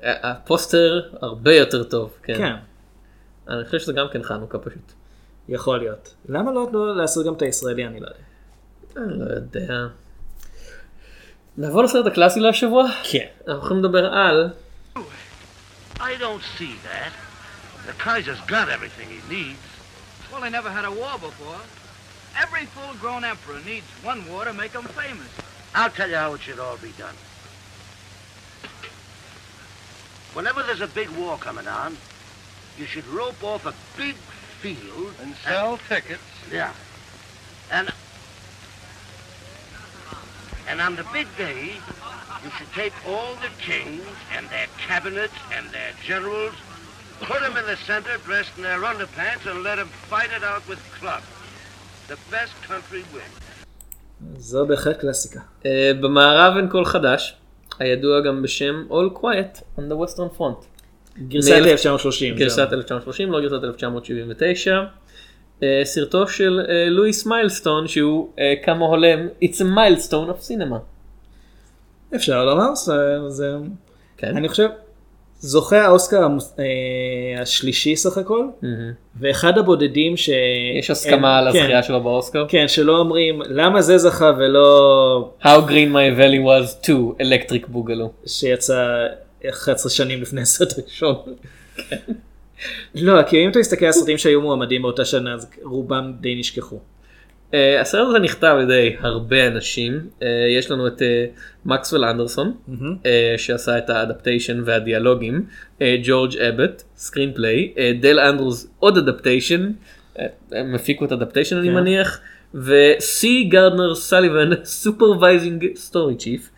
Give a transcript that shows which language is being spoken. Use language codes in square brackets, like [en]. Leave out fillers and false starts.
[he] הפוסטר הרבה יותר טוב, כן. כן. אני חושב שזה גם כן חנוכה פשוט. יכול להיות. למה לא לעשות גם את הישראלי, אני לא יודע. אני לא יודע. נעבור לסרט הקלאסי להשבוע? כן. אנחנו יכולים לדבר על... [en] I don't see that. The Kaiser's got everything he needs. Well, they never had a war before. Every full-grown emperor needs one war to make them famous. I'll tell you how it should all be done. Whenever there's a big war coming on, you should rope off a big field... And sell tickets. Yeah. And on the big day, you should take all the kings and their cabinets and their generals... Put them in the center, dressed in their underpants, and let them fight it out with clubs. The best country wins. [he] זו בהחלט קלאסיקה. במערב אין קול חדש, הידוע גם בשם All Quiet on the Western Front. גרסת 1930. גרסת 1930, לא גרסת 1979. סרטו של לואיס מיילסטון, שהוא כמו הולם, [en] It's a milestone of cinema. [he] אפשר לומר, זה... אני חושב... זוכה האוסקר השלישי סך הכל, ואחד הבודדים ש... יש הסכמה על הזכייה שלו באוסקר. כן, שלא אומרים למה זה זכה ולא... [en] How green my valley was to electric boogaloo. [he] שיצא 11 שנים לפני הסרט הראשון. לא, כי אם אתה מסתכל על הסרטים שהיו מועמדים באותה שנה, אז רובם די נשכחו. הסרט הזה נכתב על ידי הרבה אנשים, יש לנו את מקסוול אנדרסון, שעשה את האדפטיישן והדיאלוגים, ג'ורג' אבט, סקרינפליי, דל אנדרוס, עוד אדפטיישן, הם הפיקו את האדפטיישן אני מניח, וסי גארדנר סליבן, סופרוויזינג סטורי צ'יף.